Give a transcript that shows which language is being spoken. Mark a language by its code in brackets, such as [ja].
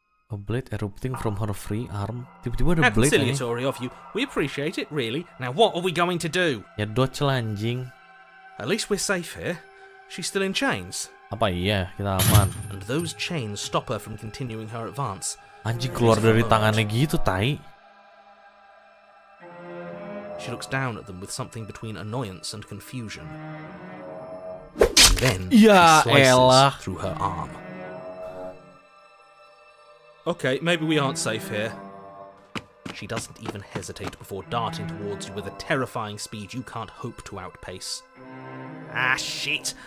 [en] A blade erupting from her free arm. [id] Tiba-tiba ada blade. [en] How conciliatory of you. We appreciate it, really. Now what are we going to do? [id] Ya docelah anjing. [en] At least we're safe here. She's still in chains. [id] Apa iya? Kita aman. [en] And those chains stop her from continuing her advance. [id] Anjing keluar dari tangannya gitu, tai. [en] She looks down at them with something between annoyance and confusion. And then she slices through her arm. Okay, maybe we aren't safe here. She doesn't even hesitate before darting towards you with a terrifying speed you can't hope to outpace. Ah, shit!